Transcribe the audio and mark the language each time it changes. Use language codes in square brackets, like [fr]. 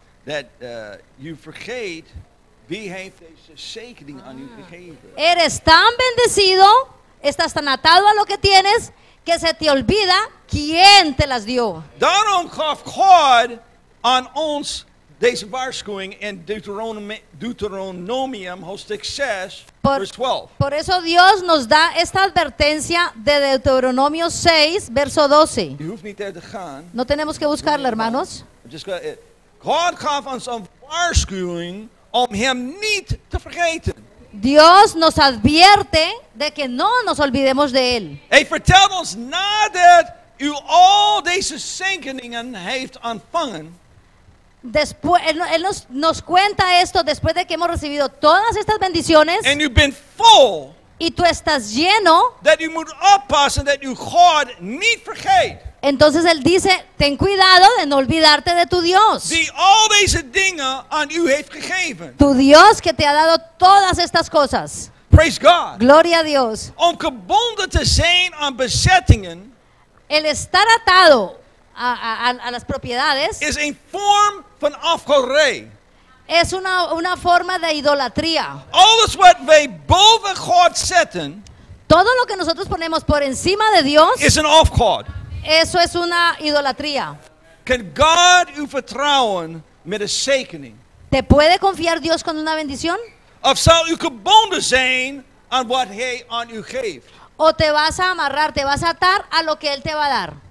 [en] That you forget [nl] wie heeft deze zegening aan u gegeven. [es] Eres tan bendecido, estás tan atado a lo que tienes, que se te olvida quién te las dio. [nl] Daarom gaf God aan ons deze waarschuwing in Deuteronomium hoofdstuk 6. [es] Por eso Dios nos da esta advertencia de Deuteronomio 6, verso 12. [nl] Je hoeft niet er te gaan. [es] No tenemos que buscarla, hermanos. [nl] God gaf ons een waarschuwing om hem niet te vergeten. [es] Dios nos advierte de que no nos olvidemos de él. [nl] Hey, vertel ons nadat u al deze zegeningen heeft ontvangen. [es] Después, él nos cuenta esto después de que hemos recibido todas estas bendiciones. [en] And you've been full, [es] y tú estás lleno. [en] That you must oppass and that you God need forget. [es] Entonces él dice, ten cuidado de no olvidarte de tu Dios. [en] The, all these [nl] dingen aan u heeft gegeven. [es] Tu Dios que te ha dado todas estas cosas. [en] Praise God. [es] Gloria a Dios. [nl] Om gebonden te zijn aan bezettingen. [es] El estar atado a las propiedades [nl] is een vorm van afgoderij. [es] Es una forma de idolatría. [nl] Alles wat wij boven God zetten, [es] todo lo que nosotros ponemos por encima de Dios [nl] is een afgod. [es] Eso es una idolatría. [nl] Can God u vertrouwen met een zegening? [es] ¿Te puede confiar Dios con una bendición? [nl] Of zal u gebonden zijn aan wat hij aan u geeft? [es] O te vas a amarrar, te vas a atar a lo que él te va a dar.